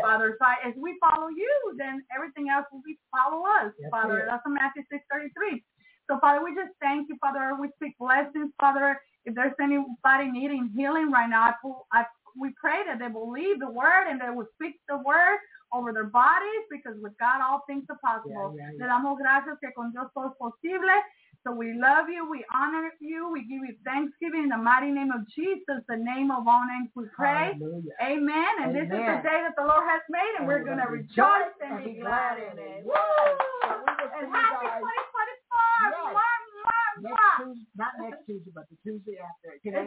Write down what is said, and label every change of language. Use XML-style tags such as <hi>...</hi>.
<en>Father, so if we follow you, then everything else will be follow us. That's Father, it. That's from Matthew 6:33. So, Father, we just thank you, Father. We speak blessings, Father. If there's anybody needing healing right now, we pray that they believe the word and they will speak the word over their bodies because with God, all things are possible. Yeah, yeah, yeah.</en> <es>Le damos gracias que con Dios todo es posible.</es> <en>So we love you. We honor you. We give you thanksgiving in the mighty name of Jesus, the name of all names we pray. Hallelujah. Amen. And Amen. This is the day that the Lord has made, and we're going to rejoice and be glad in it. Woo! And happy 2024. Yes. Not next Tuesday, but the Tuesday after. Today,</en>